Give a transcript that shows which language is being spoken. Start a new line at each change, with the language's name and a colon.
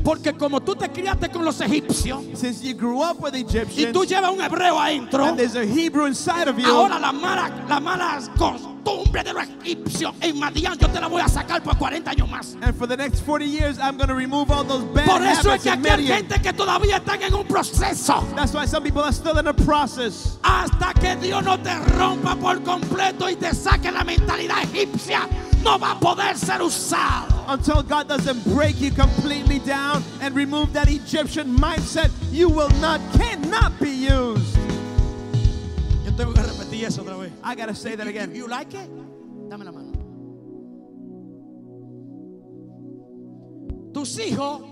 Spanish: Porque como tú te criaste con los egipcios,
English: since you grew up with Egyptians,
Spanish: y tú llevas un hebreo adentro,
English: and there's a Hebrew inside of you,
Spanish: ahora las malas cosas.
English: And for the next 40 years, I'm going to remove all those bad habits in Midian. That's why some people are still in a process.
Spanish: Hasta que Dios no te rompa por completo y te saque la mentalidad egipcia, no va a poder ser usado.
English: Until God doesn't break you completely down and remove that Egyptian mindset, you cannot be used.
Spanish: Tengo que repetir eso otra vez.
English: I gotta say that again. You like it?
Spanish: Dame la mano. Tus hijos.